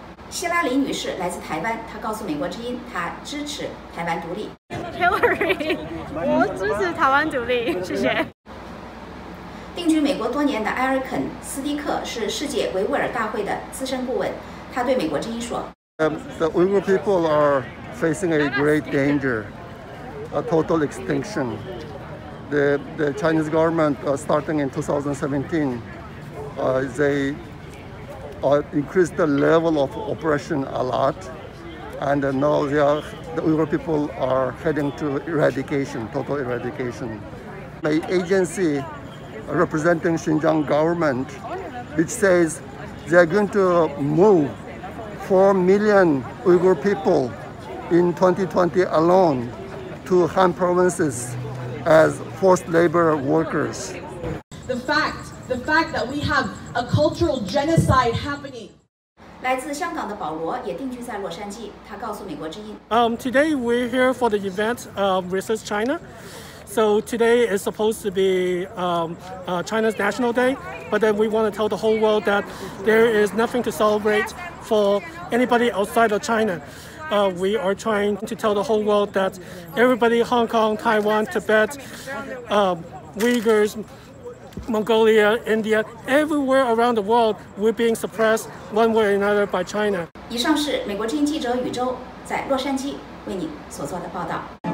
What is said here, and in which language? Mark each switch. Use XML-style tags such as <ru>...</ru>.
<zh>希拉里女士来自台湾，她告诉美国之音，她支持台湾独立。 Hillary， 我支持台湾独立，谢谢。定居美国多年的埃尔肯·斯蒂克是世界维吾尔大会的资深顾问，他对美国之音说</zh> <en>：“The Uyghur people are facing a great danger.” A total extinction. The Chinese government starting in 2017, they increased the level of oppression a lot, and now the Uyghur people are heading to eradication, total eradication. The agency representing Xinjiang government, which says they are going to move 4 million Uyghur people in 2020 alone. To Han provinces as forced labor workers. The fact that we have a cultural genocide happening.</en> <zh>来自香港的保罗也定居在洛杉矶，他告诉美国之音。</zh> <en>Today we're here for the event of Resist China. So today is supposed to be China's National Day, but then we want to tell the whole world that there is nothing to celebrate for anybody outside of China. We are trying to tell the whole world that everybody, Hong Kong, Taiwan, Tibet, Uyghurs, Mongolia, India, everywhere around the world, we're being suppressed one way or another by China.</en> <zh>以上是美国之音记者宇宙在洛杉矶为你所做的报道。</zh>